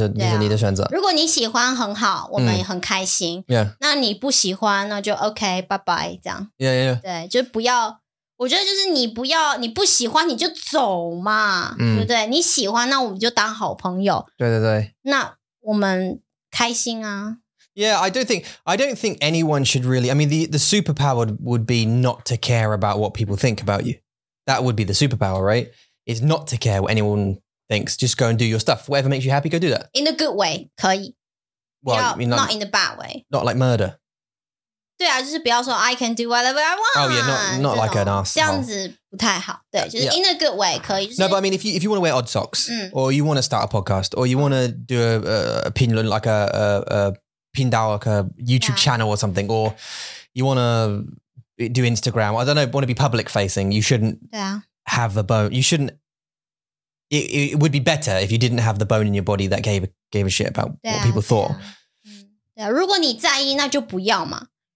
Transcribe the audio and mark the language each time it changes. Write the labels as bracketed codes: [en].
[zh] a,你的选择。如果你喜欢很好，我们很开心。那你不喜欢，那就OK，拜拜，这样。对，就不要。我觉得就是你不要，你不喜欢你就走嘛，对不对？你喜欢，那我们就当好朋友。对对对，那我们开心啊。 [en] Yeah, I don't think anyone should really. I mean, the superpower would be not to care about what people think about you. That would be the superpower, right? Is not to care what anyone thinks. Just go and do your stuff. Whatever makes you happy, go do that. In a good way, [zh] 可以. [en] Well, yeah, I mean, not in a bad way. Not like murder. [zh] 对啊，就是不要说 [en] I can do whatever I want. Oh yeah, not like an asshole. [zh] 这样子不太好。对，就是 [en] in a good way [zh] 可以。就是, [en] no, but I mean, if you want to wear odd socks, or you want to start a podcast, or you want to do a pinlun like a pindao, like a YouTube channel or something, or you want to do Instagram, I don't know, want to be public facing, you shouldn't have the bone. You shouldn't. It would be better if you didn't have the bone in your body that gave a shit about what people thought. [zh] 对啊，如果你在意，那就不要嘛。